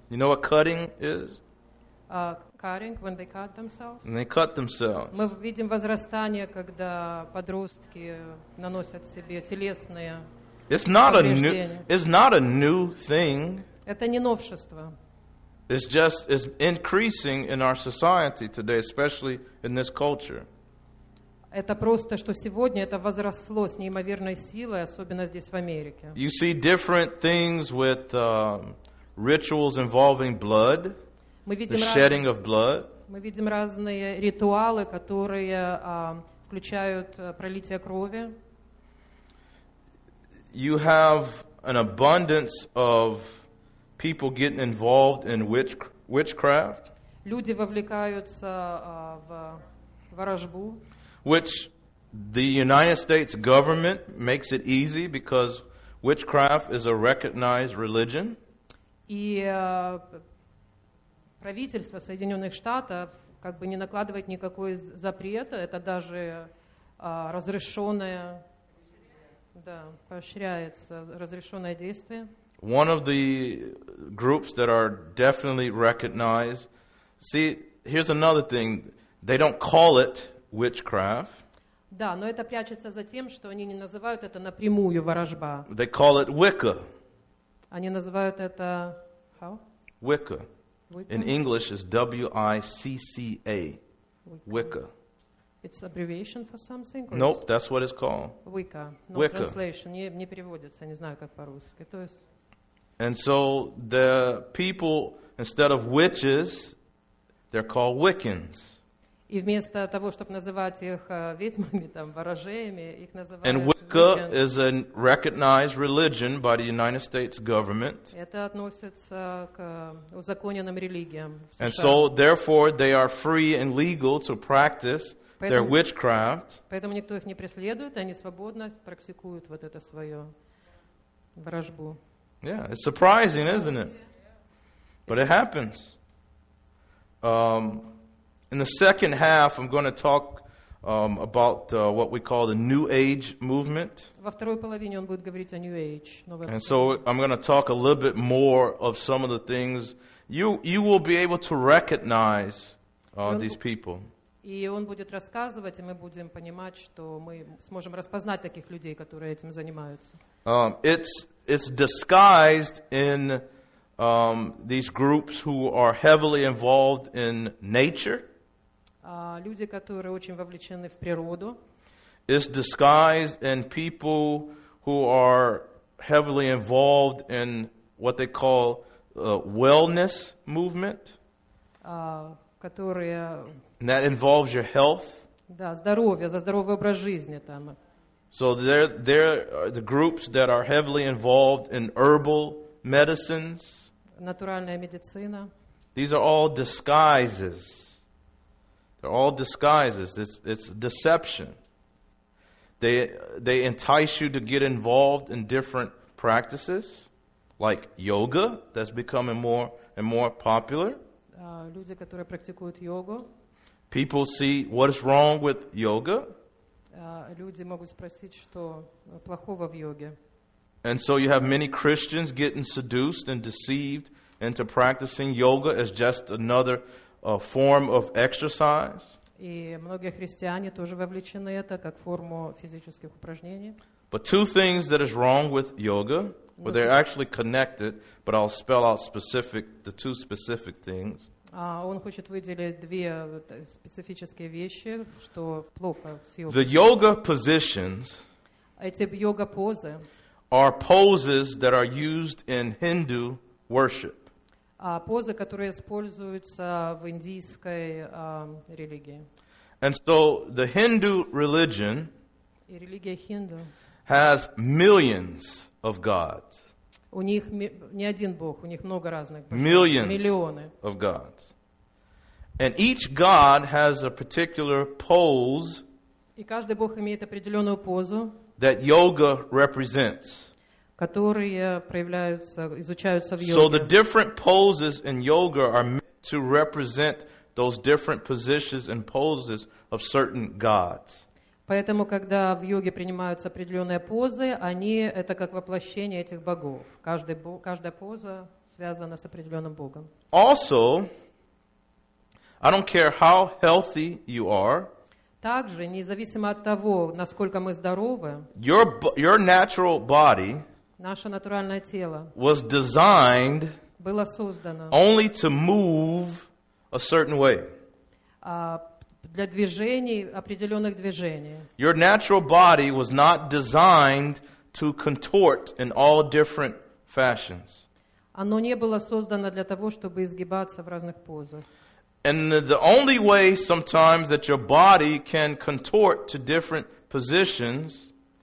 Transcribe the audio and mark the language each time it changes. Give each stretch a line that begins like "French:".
English: You know what cutting is? Cutting when they cut themselves. And they cut themselves.
Russian: Мы видим возрастание, когда подростки наносят себе телесные повреждения.
English: It's not a new thing.
Russian: Это не новшество.
English: It's increasing in our society today, especially in this culture.
Russian: Это просто, что сегодня это возросло с неимоверной силой, особенно здесь в Америке.
English: You see different things with rituals involving blood, the shedding of blood.
Russian: Мы видим разные ритуалы, которые включают пролитие крови.
English: You have an abundance of people getting involved in witchcraft.
Russian: Люди вовлекаются в ворожбу.
English: Which the United States government makes it easy because witchcraft is a recognized religion.
Russian: И правительство Соединенных Штатов как бы не накладывает никакой запрет, это даже разрешенное, да, поощряется разрешенное действие.
English: One of the groups that are definitely recognized. See, here's another thing: they don't call it witchcraft.
Russian: Да, но это прячется за тем, что они не называют это напрямую ворожба.
English: They call it Wicca.
Russian: Они называют это
English: how? Wicca. In English is W-I-C-C-A. Wicca. It's abbreviation for something? Nope, that's what it's called.
Russian: Wicca.
English: No Wicca. Translation.
Russian: Не переводится. Не знаю, как по-русски. То есть.
English: And so the people, instead of witches, they're called Wiccans.
Russian: И вместо того, чтобы называть их ведьмами, там, ворожеями, их называют...
English: And Wicca is a recognized religion by the United States government.
Russian: Это относится к узаконенным религиям.
English: And so, therefore, they are free and legal to practice their witchcraft.
Russian: Поэтому никто их не преследует, они свободно практикуют вот это свое ворожбу.
English: Yeah, it's surprising, isn't it? But it happens. In the second half, I'm going to talk About what we call the New Age movement.
Russian: Во второй половине он будет говорить о New Age.
English: And so I'm going to talk a little bit more of some of the things you will be able to recognize these people.
Russian: И он будет рассказывать, и мы будем понимать, что мы сможем распознать таких людей, которые этим занимаются.
English: It's disguised in these groups who are heavily involved in nature.
Russian: Люди, которые очень вовлечены в природу.
English: It's disguised in people who are heavily involved in what they call wellness movement.
Russian: Которые...
English: And that involves your health.
Russian: Да, здоровье, за здоровый образ жизни там.
English: So there are the groups that are heavily involved in herbal medicines.
Russian: Натуральная медицина.
English: These are all disguises. They're all disguises. It's deception. They entice you to get involved in different practices, like yoga, that's becoming more and more popular.
Russian: Люди, которые практикуют йогу.
English: People see what is wrong with yoga.
Russian: Люди могут спросить, что плохого в йоге.
English: And so you have many Christians getting seduced and deceived into practicing yoga as just another form of exercise.
Russian: И многие христиане тоже вовлечены это как форму физических упражнений.
English: But two things that is wrong with yoga, but they're actually connected, but I'll spell out the two specific things.
Russian: Он хочет выделить две специфические вещи, что плохо с йогой.
English: The yoga positions,
Russian: эти йога-позы,
English: are poses that are used in Hindu worship.
Russian: Позы, которые используются в индийской религии.
English: And so the Hindu religion,
Russian: и религия хинду,
English: has millions of gods.
Russian: У них не один бог, у них много разных богов.
English: Millions,
Russian: миллионы
English: of gods. And each god has a particular pose.
Russian: И каждый бог имеет определенную позу.
English: That yoga represents.
Russian: Которые проявляются, изучаются в йоге.
English: So the different poses in yoga are meant to represent those different positions and poses of certain gods.
Russian: Поэтому, когда в йоге принимаются определенные позы, они это как воплощение этих богов. Каждая поза связана с определенным богом.
English: Also, I don't care how healthy you are.
Russian: Также, независимо от того, насколько мы здоровы,
English: your natural body,
Russian: наше натуральное тело,
English: was designed,
Russian: было создано,
English: only to move a certain way.
Russian: Для движений, определенных движений.
English: Your natural body was not designed to contort in all different fashions.
Russian: Оно не было создано для того, чтобы изгибаться в разных позах.
English: And the only way sometimes that your body can contort to different positions,